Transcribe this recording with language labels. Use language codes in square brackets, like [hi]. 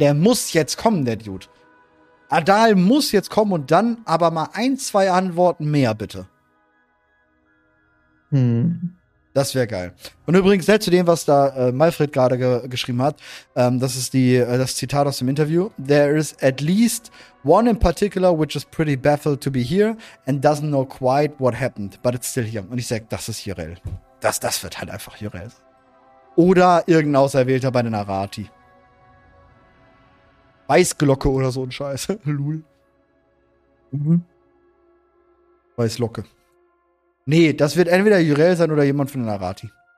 [de] Der muss jetzt kommen, der Dude. Adal muss jetzt kommen und dann aber mal ein, zwei Antworten mehr, bitte. Das wäre geil. Und übrigens, selbst zu dem, was da Malfred gerade geschrieben hat, das ist das Zitat aus dem Interview. [en] There is at least one in particular which is pretty baffled to be here and doesn't know quite what happened, but it's still here. [de] Und ich sag, das ist Hyrel. Das wird halt einfach Hyrel. Oder irgendein Auserwählter bei den Arati. Weißglocke oder so ein Scheiß. Lul. Weißglocke. Nee, das wird entweder Hyrel sein oder jemand von den Arati.